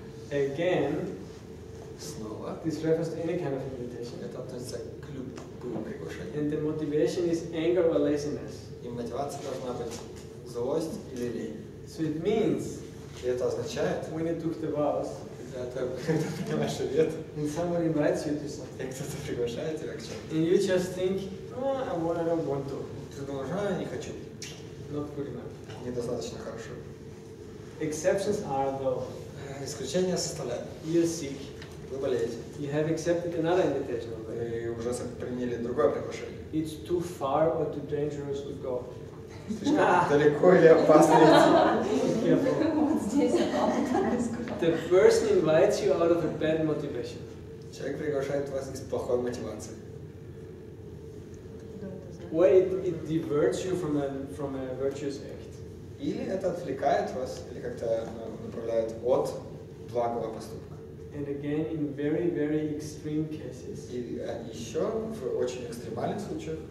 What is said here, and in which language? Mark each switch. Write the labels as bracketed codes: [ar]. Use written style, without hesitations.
[en] Again. [ru] Снова. [en] This refers to any kind of invitation. [ru] Это относится к любому приглашению. [en] And the motivation is anger or laziness. [ru] И мотивация должна быть злость или лень. [en] So it means. [ru] И это означает, [en] when you took the vows, and somebody invites you to something, and you just think, I don't want to. [ru] Ты думаешь, я не хочу. [en] Not good enough. [ru] Недостаточно хорошо. [en] Exceptions are though. [ru] Исключения составляют. [en] You're sick. [ru] Вы болеете. [en] You have accepted another invitation. [ru] Вы уже приняли другое приглашение. [en] It's too far or too dangerous to go. [ru] Далеко или опасно идти? Вот здесь. [en] The person invites you out of a bad motivation. [ru] Человек приглашает вас из плохой мотивации. [en] Or it diverts you from a virtuous act. [ru] Или это отвлекает вас, или как-то направляет от благого поступка. [en] And again, in very, very extreme cases. [ru] И еще в очень экстремальных случаях.